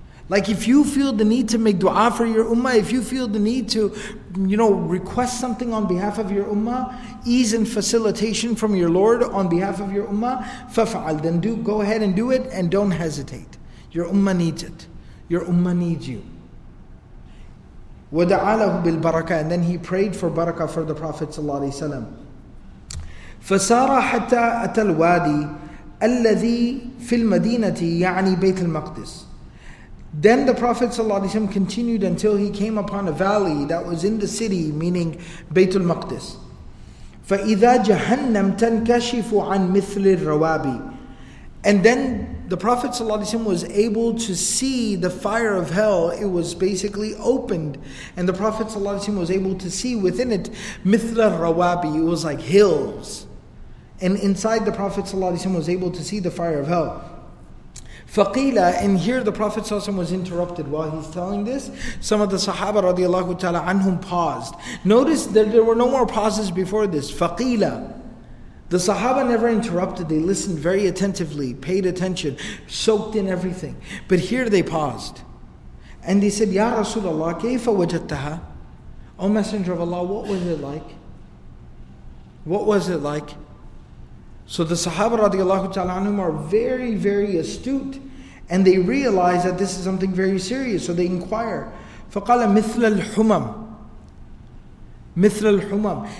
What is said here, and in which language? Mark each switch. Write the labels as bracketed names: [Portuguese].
[English] Like if you feel the need to make dua for your ummah, if you feel the need to, you know, request something on behalf of your ummah, ease and facilitation from your Lord on behalf of your ummah, fa'fa'al, then do, go ahead and do it and don't hesitate. Your ummah needs it. Your ummah needs you. [Arabic] وَدَعَى لَهُ بِالْبَرَكَةِ. [English] And then he prayed for barakah for the Prophet ﷺ. [Arabic] فَسَارَ حَتَّى أَتَى الْوَادِي الذي في المدينة يعني بيت المقدس. [English] Then the Prophet ﷺ continued until he came upon a valley that was in the city, meaning بيت المقدس. [Arabic] فَإِذَا جَهَنَّمْ تَنْكَشِفُ عَنْ مِثْلِ الرَّوَابِ. [English] And then the Prophet ﷺ was able to see the fire of hell. It was basically opened. And the Prophet ﷺ was able to see within it [Arabic] مِثْلَ الرَّوَابِ. [English] It was like hills. And inside the Prophet ﷺ was able to see the fire of hell. [Arabic] فَقِيلَ. [English] And here the Prophet ﷺ was interrupted while he's telling this. Some of the Sahaba radiallahu ta'ala anhum paused. Notice that there were no more pauses before this. [Arabic] فَقِيلَ. [English] The Sahaba never interrupted. They listened very attentively, paid attention, soaked in everything. But here they paused. And they said, [Arabic] يَا رَسُولَ اللَّهِ كَيْفَ وَجَدْتَهَا. [English] O Messenger of Allah, what was it like? What was it like? So the Sahaba radiallahu ta'ala anhum are very, very astute. And they realize that this is something very serious. So they inquire. [Arabic] فَقَالَ مِثْلَ الْحُمَمْ. مِثْلَ الْحُمَمْ.